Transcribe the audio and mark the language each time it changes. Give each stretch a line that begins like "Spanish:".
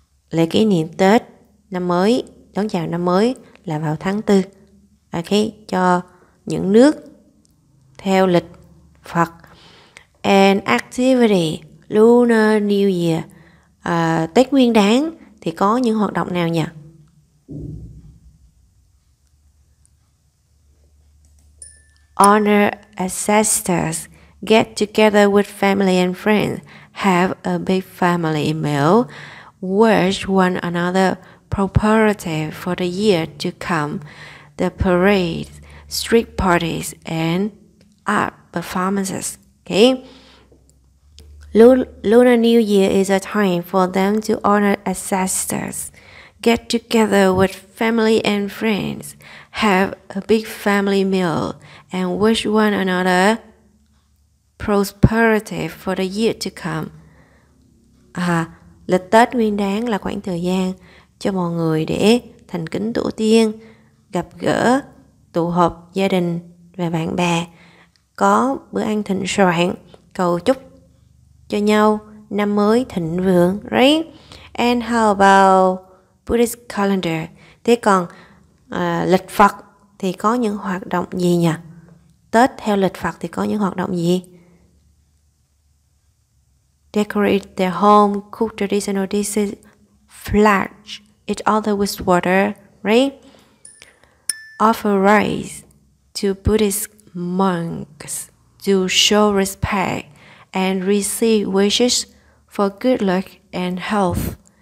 Vietnamese: Lễ kỷ niệm Tết, năm mới, đón chào năm mới là vào tháng 4. Okay. Cho những nước theo lịch Phật.
English: And activity, Lunar New Year.
Vietnamese: Tết Nguyên Đán thì có những hoạt động nào nhỉ?
English: Honor ancestors, get together with family and friends, have a big family meal, wish one another preparative for the year to come, the parades, street parties, and art performances. Okay? Lunar New Year is a time for them to honor ancestors, get together with family and friends, have a big family meal, and wish one another prosperity for the year to come.
Vietnamese: Lịch Tết Nguyên Đán là khoảng thời gian cho mọi người để thành kính tổ tiên, gặp gỡ, tụ họp gia đình và bạn bè, có bữa ăn thịnh soạn, cầu chúc cho nhau năm mới thịnh vượng, right?
English: And how about Buddhist calendar?
Vietnamese: Thế còn lịch Phật thì có những hoạt động gì nhỉ? Tết theo lịch Phật thì có những hoạt động gì?
English: Decorate their home, cook traditional dishes, splash each other with water, right? Offer rice to Buddhist monks to show respect and receive wishes for good luck and health.